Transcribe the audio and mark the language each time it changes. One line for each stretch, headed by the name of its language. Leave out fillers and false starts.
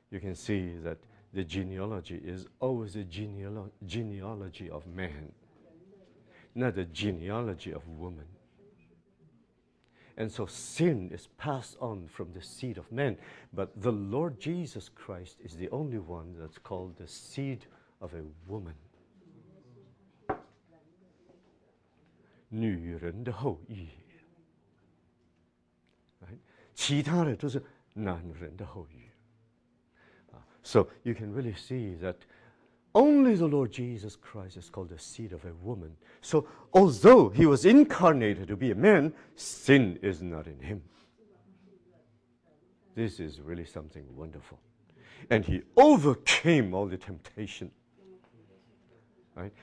English: You can see that the genealogy is always a genealogy of man, not a genealogy of woman. And so sin is passed on from the seed of man, but the Lord Jesus Christ is the only one that's called the seed of a woman.
Chinese: 女人的后裔，其他的都是男人的后裔。
English: So you can really see that only the Lord Jesus Christ is called the seed of a woman. So although he was incarnated to be a man, sin is not in him. This is really something wonderful. And he overcame all the temptation. Right?